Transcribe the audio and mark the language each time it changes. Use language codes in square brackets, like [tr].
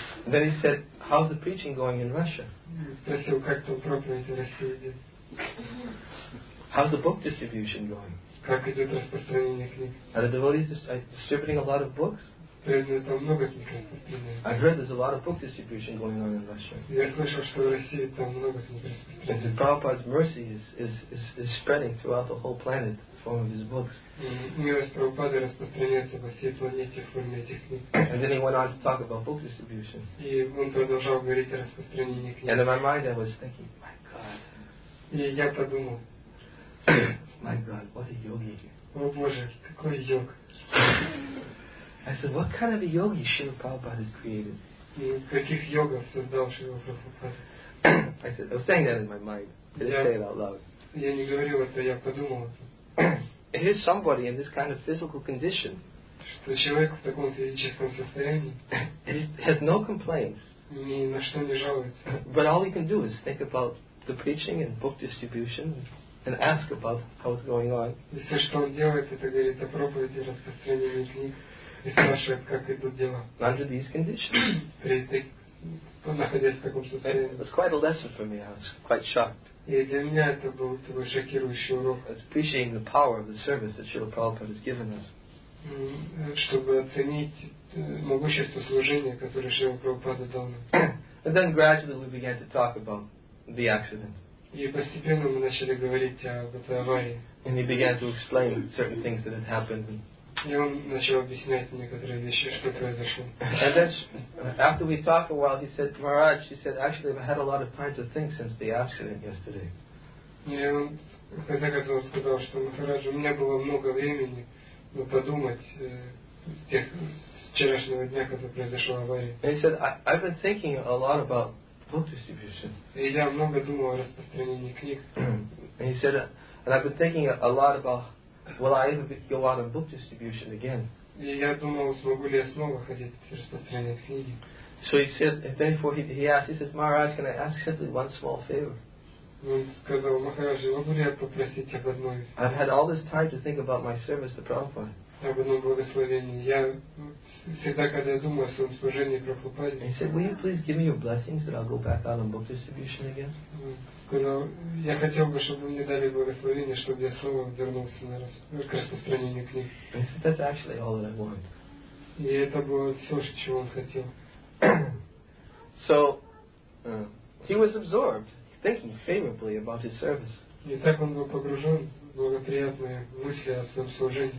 [en] Then he said, how's the preaching going in Russia? [ru] Спросил, как там проповедь в России идет? [en] How's the book distribution going? [ru] Как идет распространение книг? [en] Are the devotees distributing a lot of books? [ru] Там много книг распространяется. [en] I've heard there's a lot of book distribution going on in Russia. [ru] Я слышал, что в России там много книг распространяется. [en] And Prabhupada's mercy is spreading throughout the whole planet in the form of his books. [ru] Милость Прабхупады распространяется по всей планете в форме этих книг. [en] And then he went on to talk about book distribution. [ru] И он продолжал говорить о распространении книг. [en] And in my mind I was thinking, my God. [ru] И я подумал, [en] my God, what a yogi. [ru] О Боже, какой йог. [en] I said, what kind of a yogi Srila Prabhupada has created? [ru] Каких йогов создал Шрила Прабхупада? [en] I said, I was saying that in my mind. I didn't say it out loud. [ru] Я не говорил это, я подумал это. [en] Here's somebody in this kind of physical condition. [ru] Что человек в таком физическом состоянии. [en] Has no complaints. [ru] Ни на что не жалуется. [en] But all he can do is think about the preaching and book distribution and ask about how it's going on. [ru] И все, что он делает, это говорит о проповеди и распространении книг. И спрашивает, как идут дела. [en] Under these conditions. [ru] Находясь в таком состоянии. [en] It was quite a lesson for me. I was quite shocked. [ru] И для меня это был такой шокирующий урок. [en] Appreciating the power of the service that Srila Prabhupada has given us. [ru] Чтобы оценить могущество служения, которое Шрила Прабхупада дал нам. [en] And then gradually we began to talk about the accident. [ru] И постепенно мы начали говорить об этой аварии. [en] And he began to explain certain things that had happened. [ru] И он начал объяснять некоторые вещи, что произошло. [en] And then, after we talked a while, he said, Maharaj, he said, actually, I've had a lot of time to think since the accident yesterday. [ru] И он, в конце концов, сказал, что, Махарадж, у меня было много времени подумать с вчерашнего дня, когда произошла авария. [en] And he said, I've been thinking a lot about book distribution. [ru] И я много думал о распространении книг. [en] And he said, and I've been thinking a lot about will I ever go out on book distribution again? [ru] И я думал, смогу ли я снова ходить распространять книги. [en] So he said, and therefore he asked, he says, Maharaj, can I ask simply one small favor? [ru] Он сказал, Махараджи, могу ли я попросить об одной? [en] I've had all this time to think about my service to Prabhupada. [ru] Об одном благословении. Я всегда, когда я думаю о своем служении Прабхупаде. [en] He said, will you please give me your blessings that I'll go back out on book distribution again? [ru] Сказал, я хотел бы, чтобы мне дали благословение, чтобы я снова вернулся на распространение книг. [en] He said, that's actually all that I want. [ru] И это было все, чего он хотел. [en] So, he was absorbed, thinking favorably about his service. [ru] И так он был погружен. Благоприятные мысли о своем служении.